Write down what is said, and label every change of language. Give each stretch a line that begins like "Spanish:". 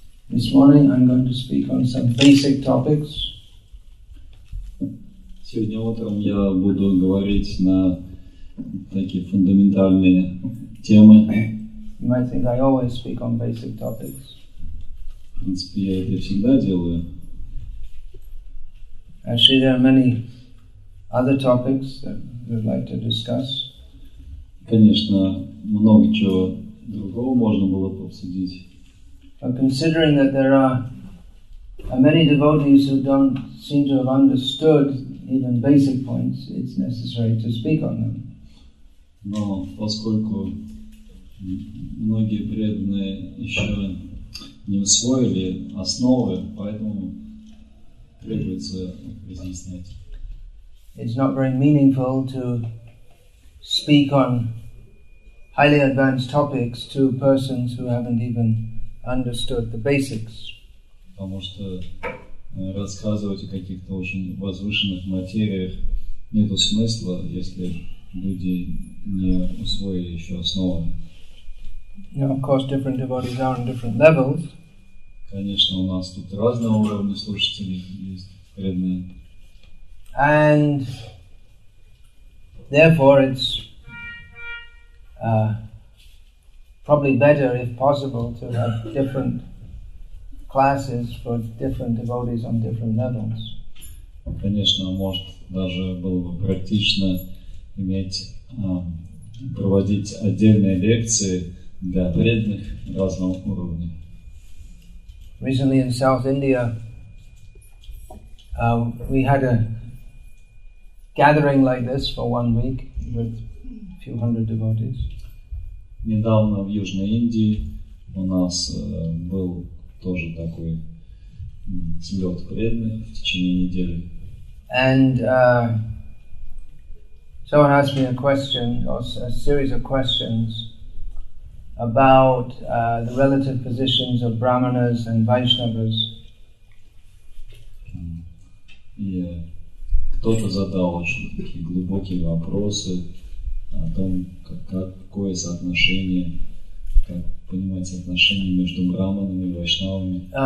English: This morning I'm going to speak on some basic topics.
Russian: Сегодня утром я буду говорить на такие фундаментальные темы.
English: You might think I always speak on basic topics.
Russian: В принципе, я это всегда делаю.
English: Actually, there are many other topics that we'd like to discuss.
Russian: Конечно, много чего другого можно было бы обсудить.
English: But considering that there are many devotees who don't seem to have understood even basic points, it's necessary to speak on them.
Russian: Но поскольку многие преданные еще не усвоили основы, поэтому требуется разъяснять.
English: It's not very meaningful to speak on highly advanced topics to persons who haven't even understood the basics.
Russian: Потому что рассказывать о каких-то очень возвышенных материях нету смысла, если люди не усвоили еще основы.
English: Now, of course, different devotees are on different levels.
Russian: Конечно, у нас тут разные уровни слушателей есть преданные.
English: And therefore, it's probably better, if possible, to have different classes for different devotees on different levels.
Russian: Конечно, может даже было бы практично иметь проводить отдельные лекции для преданных разного уровня.
English: Recently in South India, we had a gathering like this for 1 week with a few hundred devotees.
Russian: Недавно в Южной Индии у нас был тоже такой слёт преданных в течение недели.
English: And someone asked me a question, or a series of questions, about the relative positions of brahmanas and vaishnavas.
Russian: И кто-то задал очень такие глубокие вопросы о том, какое соотношение, как понимать отношения между брахманами и вайшнавами.